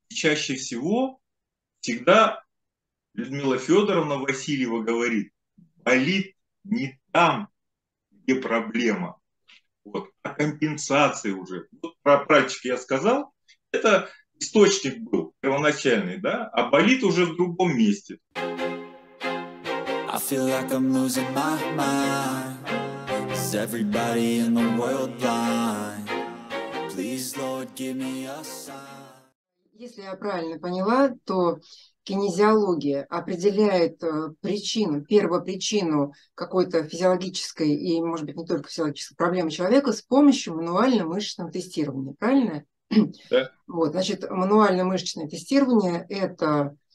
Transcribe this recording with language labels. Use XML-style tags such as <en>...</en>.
<ru>И чаще всего всегда Людмила Федоровна Васильева говорит, болит не там, где проблема, вот, а компенсация уже. Вот про пальчики я сказал, это источник был первоначальный, да, а болит уже в другом месте.</ru> <en>I feel like I'm losing my mind. Is everybody in the world blind? Please, Lord, give me a sign.</en> <ru>Если я правильно поняла, то кинезиология определяет причину, первопричину какой-то физиологической и, может быть, не только физиологической проблемы человека с помощью мануально-мышечного тестирования. Правильно? Вот, значит, мануально-мышечное тестирование – это</ru>